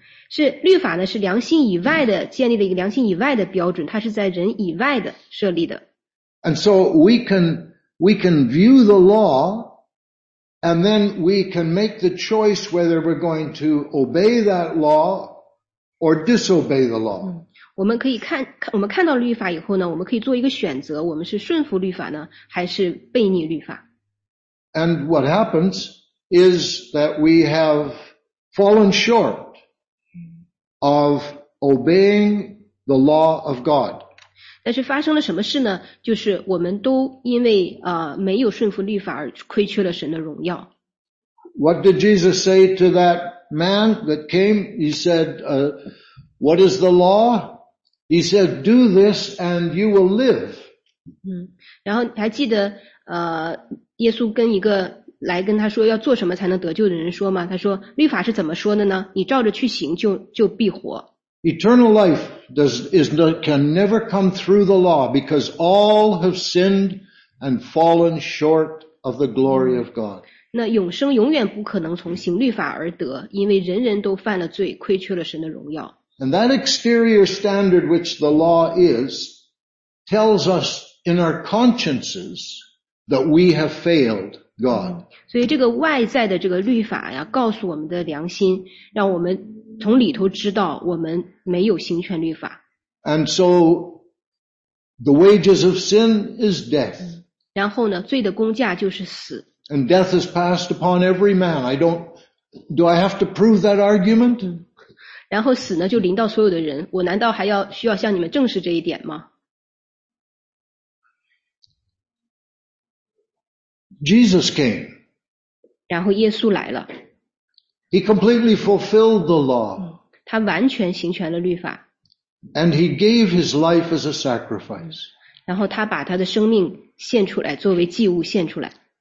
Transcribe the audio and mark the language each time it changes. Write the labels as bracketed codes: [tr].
[zh] 是律法呢是良心以外的，建立了一个良心以外的标准，它是在人以外的设立的。 [en] And so we can view the law, and then we can make the choice whether we're going to obey that law or disobey the law. [zh] 我们可以看，我们看到律法以后呢，我们可以做一个选择，我们是顺服律法呢，还是悖逆律法。 [en] And what happens is that we have fallen short of obeying the law of God. [zh] 但是发生了什么事呢？就是我们都因为没有顺服律法而亏缺了神的荣耀。 [en] What did Jesus say to that man that came? He said, "What is the law?" He said, "Do this, and you will live." [zh] 然后还记得耶稣跟一个来跟他说要做什么才能得救的人说吗？他说律法是怎么说的呢？你照着去行就必活。 [en] Eternal life can never come through the law because all have sinned and fallen short of the glory of God. [zh] 那永生永远不可能从行律法而得，因为人人都犯了罪，亏缺了神的荣耀。 [en] And that exterior standard which the law is tells us in our consciences that we have failed God. [zh] 所以这个外在的这个律法呀，告诉我们的良心，让我们从里头知道我们没有行全律法。 [en] And so the wages of sin is death. [zh] 然后呢，罪的工价就是死。 [en] And death is passed upon every man. Do I have to prove that argument? [zh] 然后死呢就临到所有的人，我难道还要需要向你们证实这一点吗？ [en] Jesus came. [zh] 然后耶稣来了。 [en] He completely fulfilled the law. [zh] 他完全行全了律法。 [en] And he gave his life as a sacrifice. [zh] 然后他把他的生命献出来，作为祭物献出来。